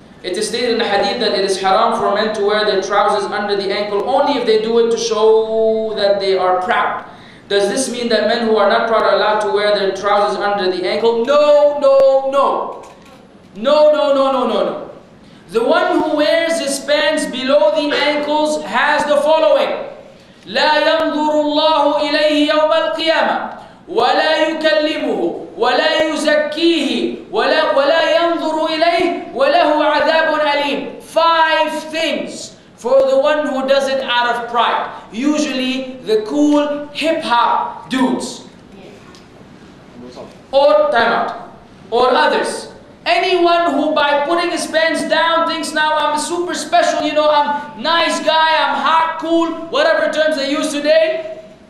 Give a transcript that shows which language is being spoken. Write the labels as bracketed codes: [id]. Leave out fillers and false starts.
[en] It is stated in the hadith that it is haram for men to wear their trousers under the ankle only if they do it to show that they are proud. Does this mean that men who are not proud are allowed to wear their trousers under the ankle? No, no, no. No, no, no, no, no, no. The one who wears his pants below the ankles has the following. [ar] لا ينظر الله إليه يوم القيامة ولا يكلمه ولا يزكيه ولا ينظر إليه وله عذاب أليم. [en] Five things for the one who does it out of pride. Usually the cool hip hop dudes. Or time out. Or others. Anyone who by putting his pants down thinks now I'm super special, you know, I'm nice guy, I'm hot, cool, whatever terms they use today.